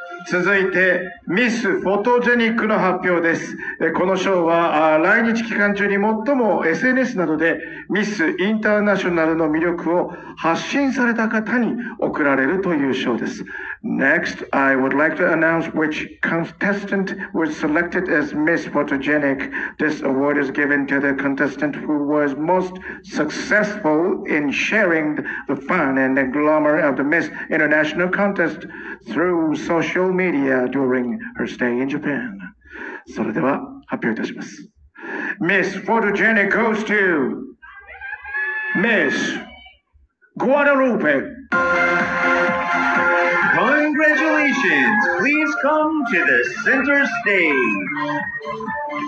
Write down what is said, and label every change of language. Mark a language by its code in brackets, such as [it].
[ja] 続いてミスフォトジェニックの発表です。この賞は来日期間中に最も SNS などでミスインターナショナルの魅力を発信された方に贈られるという賞です。 [en] Next, I would like to announce which contestant was selected as Miss Photogenic. This award is given to the contestant who was most successful in sharing the fun and the glamour of the Miss International Contest through social media during her stay in Japan. [ja] それでは発表いたします。 [en] Miss Photogenic goes to Miss Guadalupe. Congratulations! Please come to the center stage.